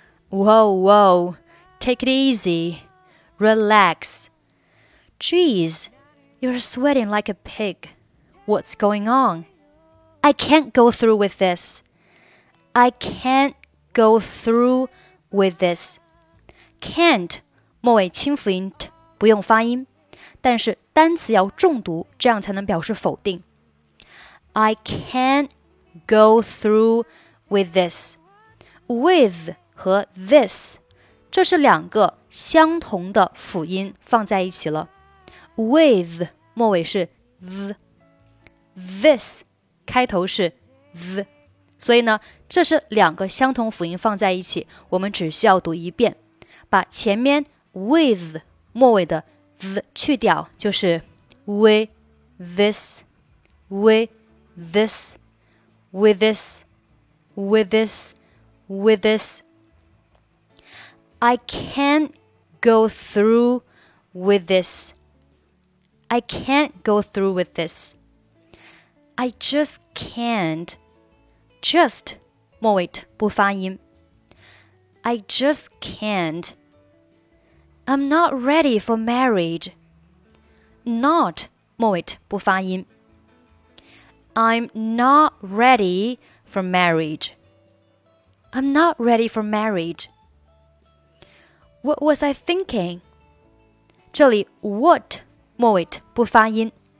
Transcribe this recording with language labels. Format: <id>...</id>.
<en>Whoa, whoa, take it easy. Relax. Jeez, you're sweating like a pig. What's going on? I can't go through with this. I can't go through with this.</en> <zh>Can't, 末尾清辅音 t, 不用发音，但是单词要重读，这样才能表示否定。</zh> <en>I can't go through with this.</en> <zh>With 和 this, 这是两个相同的辅音放在一起了。</zh> <en>With,</en> <zh>末尾是 th, this, 开头是 th, 所以呢，这是两个相同辅音放在一起，我们只需要读一遍。把前面 with 末尾的 th 去掉，就是</zh> <en>with this, with this, with this, with this, with this. I can't go through with this. I can't go through with this. I just can't. Just</en> <zh>末尾 t 不发音。</zh> <en>I just can't. I'm not ready for marriage. Not,</en> <zh>末尾不发音。</zh> <en>I'm not ready for marriage. I'm not ready for marriage. What was I thinking?</en> <zh>这里 what, 末尾不发音。</zh>